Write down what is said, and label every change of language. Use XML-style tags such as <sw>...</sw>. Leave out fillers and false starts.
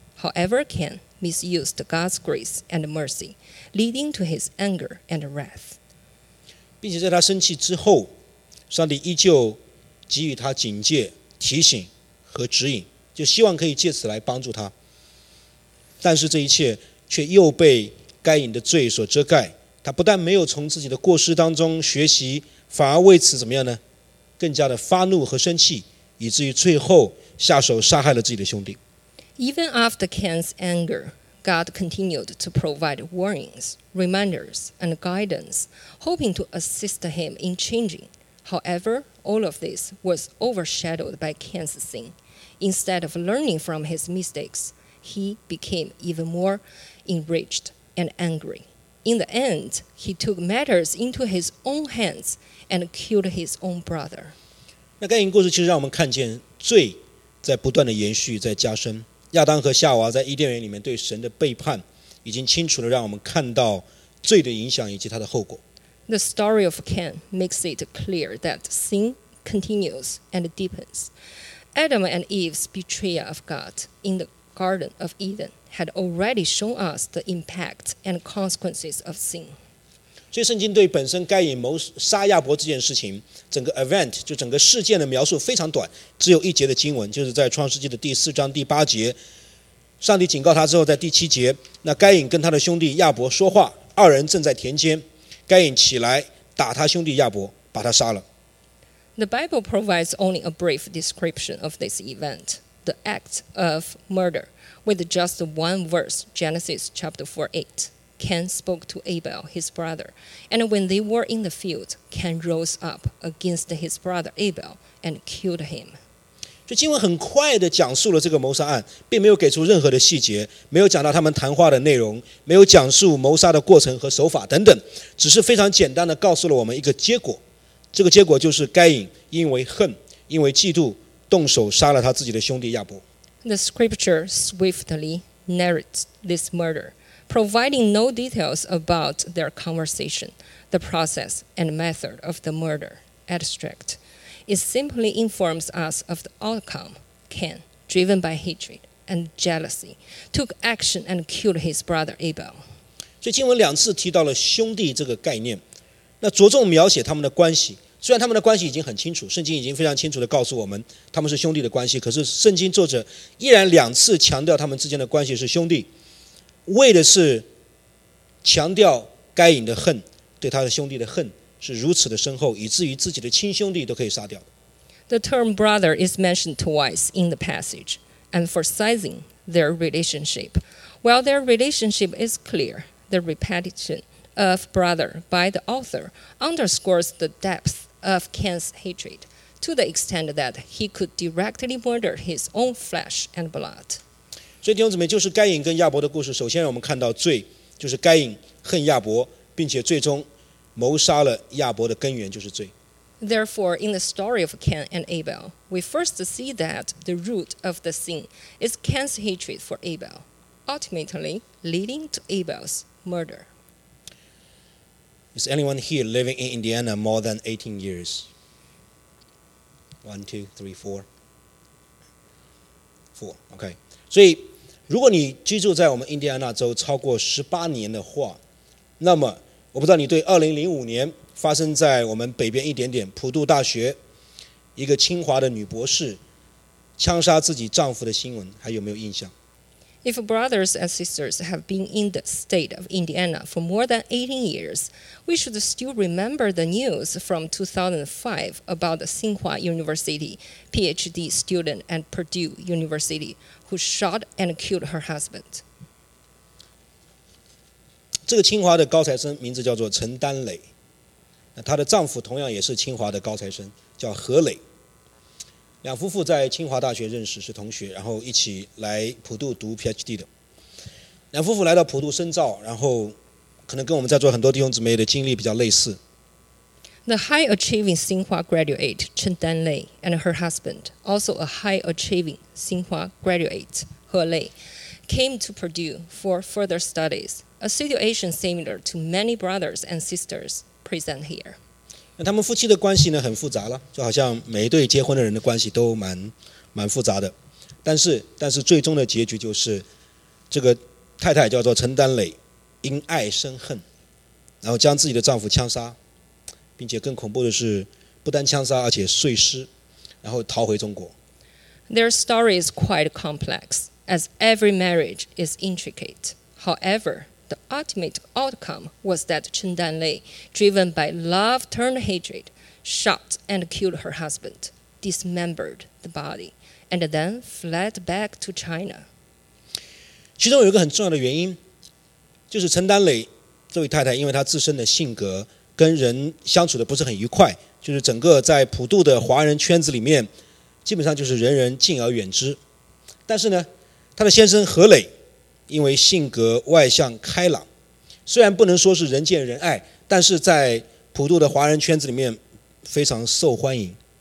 <en>However, Cain misused God's grace and mercy, leading to his anger and wrath.</en> <zh>并且在他生气之后，上帝依旧给予他警戒、提醒和指引，就希望可以借此来帮助他。但是这一切却又被该隐的罪所遮盖。他不但没有从自己的过失当中学习，反而为此怎么样呢？更加的发怒和生气，以至于最后下手杀害了自己的兄弟。</zh> <en>Even after Cain's anger, God continued to provide warnings, reminders, and guidance, hoping to assist him in changing. However, all of this was overshadowed by Cain's sin. Instead of learning from his mistakes, he became even more enraged and angry. In the end, he took matters into his own hands and killed his own brother.</en> <zh>那该隐故事其实让我们看见罪在不断的延续，在加深。亚当和夏娃在伊甸园里面对神的背叛，已经清楚地让我们看到罪的影响以及它的后果。</zh> <en>The story of Cain makes it clear that sin continues and deepens. Adam and Eve's betrayal of God in the Garden of Eden had already shown us the impact and consequences of sin.</en> <zh>所以圣经对本身该隐谋杀亚伯这件事情，整个 event 就整个事件的描述非常短，只有一节的经文，就是在创世纪的第四章第八节，上帝警告他之后，在第七节，那该隐跟他的兄弟亚伯说话，二人正在田间。该隐起来打他兄弟亚伯，把他杀了。</zh> <en>The Bible provides only a brief description of this event, the act of murder, with just one verse, Genesis chapter 4:8. Cain spoke to Abel, his brother, and when they were in the field, Cain rose up against his brother Abel and killed him.</en> <zh>所以经文很快地讲述了这个谋杀案，并没有给出任何的细节，没有讲到他们谈话的内容，没有讲述谋杀的过程和手法等等，只是非常简单地告诉了我们一个结果。这个结果就是该隐因为恨，因为嫉妒，动手杀了他自己的兄弟亚伯。</zh> <en>The scripture swiftly narrates this murder, providing no details about their conversation, the process and method of the murder, abstract. It simply informs us of the outcome. Cain, driven by hatred and jealousy, took action and killed his brother Abel.</en> <zh>所以经文两次提到了兄弟这个概念，那着重描写他们的关系。虽然他们的关系已经很清楚，圣经已经非常清楚地告诉我们他们是兄弟的关系，可是圣经作者依然两次强调他们之间的关系是兄弟，为的是强调该隐的恨，对他的兄弟的恨。是如此的深厚，以至于自己的亲兄弟都可以杀掉。</zh> <en>The term brother is mentioned twice in the passage, emphasizing their relationship. While their relationship is clear, the repetition of brother by the author underscores the depth of Cain's hatred, to the extent that he could directly murder his own flesh and blood.</en> <zh>所以弟兄姊妹，就是该隐跟亚伯的故事，首先让我们看到罪，就是该隐恨亚伯，并且最终谋杀了亚伯的根源就是罪。</zh> <en>Therefore, in the story of Cain and Abel, we first see that the root of the sin is Cain's hatred for Abel, ultimately leading to Abel's murder. Is anyone here living in Indiana more than 18 years? 1, 2, 3, 4. 4, okay.</en> <zh>所以如果你居住在我们印第安纳州超过18年的话，那么我不知道你对2005年发生在我们北边一点点普渡大学一个清华的女博士枪杀自己丈夫的新闻还有没有印象？</zh> <en>If brothers and sisters have been in the state of Indiana for more than 18 years, we should still remember the news from 2005 about the Tsinghua University PhD student at Purdue University who shot and killed her husband.</en> <zh>这个清华的高材生名字叫做陈丹磊，那她的丈夫同样也是清华的高材生，叫何磊。两夫妇在清华大学认识，是同学，然后一起来普渡读 PhD 的。两夫妇来到普渡深造，然后可能跟我们在座很多弟兄姊妹的经历比较类似。</zh> <en>The high-achieving Tsinghua graduate Chen Danlei and her husband, also a high-achieving Tsinghua graduate He Lei, came to Purdue for further studies, a situation similar to many brothers and sisters present here.</en> <zh>他们夫妻的关系呢很复杂了，就好像每一对结婚的人的关系都蛮复杂的，但是最终的结局就是这个太太叫做陈丹磊，因爱生恨，然后将自己的丈夫枪杀，并且更恐怖的是不单枪杀而且碎尸，然后逃回中国。</zh> <en>Their story is quite complex, as every marriage is intricate. HoweverThe ultimate outcome was that Chen Danlei, driven by love turned hatred, shot and killed her husband, dismembered the body, and then fled back to China.</en> <zh>其中有一个很重要的原因，就是陈丹磊这位太太，因为她自身的性格跟人相处的不是很愉快，就是整个在普渡的华人圈子里面，基本上就是人人敬而远之。但是呢，她的先生何磊。因为性格外向开朗，虽然不能说是人见人爱，但是在普渡的华人圈子里面非常受欢迎。</zh>